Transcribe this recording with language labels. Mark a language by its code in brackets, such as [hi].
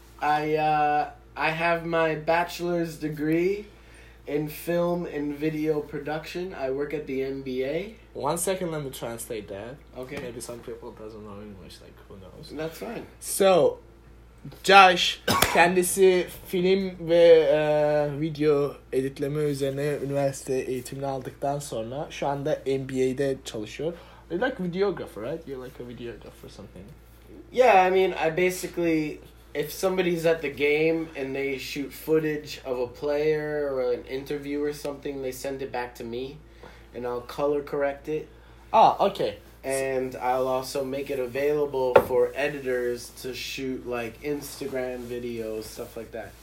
[en] I have my bachelor's degree in film and video production. I work at the NBA. One second, let me translate that. Okay. Maybe some people doesn't know English, like who knows. That's fine. [tr] So, Josh kendisi film ve video editleme üzerine üniversite eğitimini aldıktan sonra şu anda NBA'de çalışıyor. [en] You're like a videographer, right? You're like a videographer or something. Yeah, I mean, I basically, if somebody's at the game and they shoot footage of a player or an interview or something, they send it back to me. And I'll color correct it. Oh, okay. And I'll also make it available for editors to shoot like Instagram videos, stuff like that.